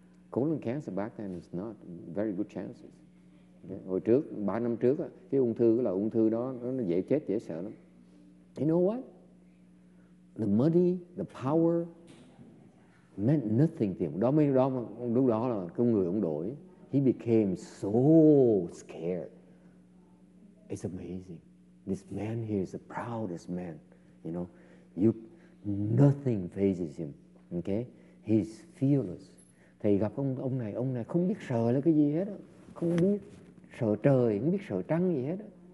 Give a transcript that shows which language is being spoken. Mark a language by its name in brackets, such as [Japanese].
[English] Colon cancer back then is not very good chances. Okay. [Vietnamese] Hồi trước, 3 năm trước, cái ung thư là ung thư đó, nó dễ chết, dễ sợ lắm. [English] You know what? The money, the power meant nothing to him. [Vietnamese] Lúc đó là cái người ông đổi. [English] He became so scared. It's amazing. This man here is the proudest man. You know, nothing phases him. Okay? He's fearless. [Vietnamese] Thầy gặp ông này không biết sợ là cái gì hết á, không biết sợ trời, không biết sợ trăng gì hết á.